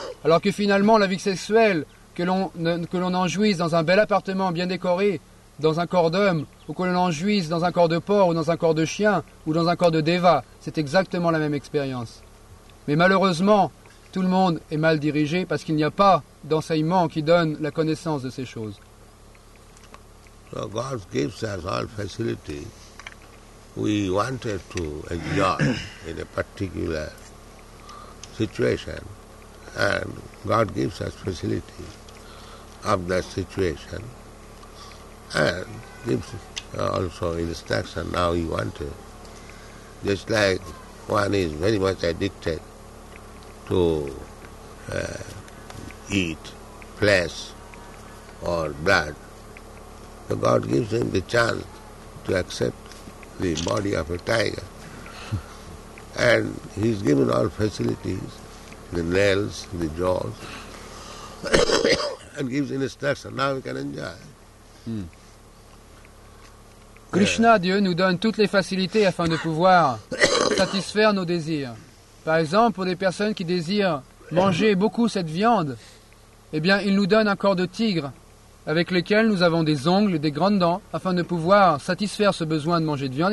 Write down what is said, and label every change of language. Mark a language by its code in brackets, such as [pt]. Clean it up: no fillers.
[fr] Alors que finalement, la vie sexuelle, que l'on en jouisse dans un bel appartement bien décoré, dans un corps d'homme, ou que l'on en jouisse dans un corps de porc, ou dans un corps de chien, ou dans un corps de déva, c'est exactement la même expérience. Mais malheureusement, tout le monde est mal dirigé parce qu'il n'y a pas d'enseignement qui donne la connaissance de ces choses. [en] So God gives us all facilities we wanted to enjoy in a particular situation, and God gives us facilities of that situation and gives also instruction how he wanted. Just like one is very much addicted to eat flesh or blood, so God gives him the chance to accept the body of a tiger. And he's given all facilities, the nails, the jaws, and gives instruction. Now we can enjoy. [fr] Krishna, Dieu, nous donne toutes les facilités afin de pouvoir satisfaire nos désirs. Par exemple, pour des personnes qui désirent manger beaucoup cette viande, eh bien, il nous donne un corps de tigre avec lequel nous avons des ongles, des grandes dents, afin de pouvoir satisfaire ce besoin de manger de viande.